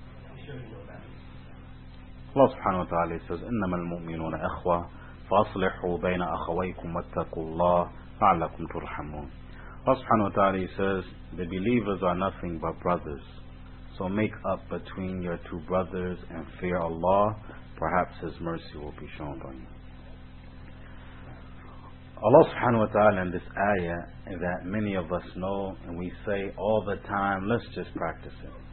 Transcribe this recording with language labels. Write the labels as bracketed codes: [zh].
[en] I'm sure you know about it. Allah subhanahu wa ta'ala says, [ar] إنما المؤمنون أخوة فأصلحوا بين أخويكم واتقوا الله لعلكم ترحمون. [en] Allah subhanahu wa ta'ala says, the believers are nothing but brothers. So make up between your two brothers and fear Allah. Perhaps His mercy will be shown on you. Allah subhanahu wa ta'ala in this ayah that many of us know and we say all the time, let's just practice it.